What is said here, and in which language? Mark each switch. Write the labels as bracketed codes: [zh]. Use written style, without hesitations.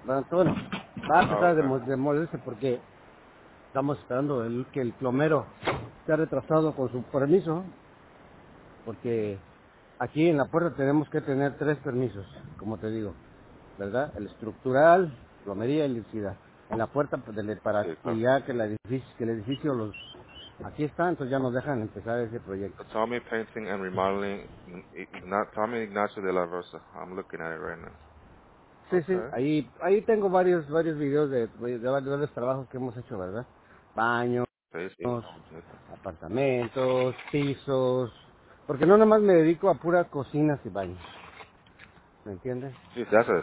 [es] Bueno, va a empezar a demolerse porque estamos esperando que el plomero sea retrasado con su permiso, porque... Aquí en la puerta tenemos que tener tres permisos, como te digo, ¿verdad? El estructural, plomería y electricidad. En la puerta, para que el edificio, aquí está, entonces ya nos dejan empezar ese proyecto. [en] Tommy Painting and Remodeling, Tommy Ignacio de la Rosa, I'm looking at it right now. [es] Sí, okay. Sí, ahí tengo varios videos de varios trabajos que hemos hecho, ¿verdad? Baños, sí. Apartamentos, pisos. Porque no nomás me dedico a puras cocinas y baños. ¿Me entiendes? Sí, se hace de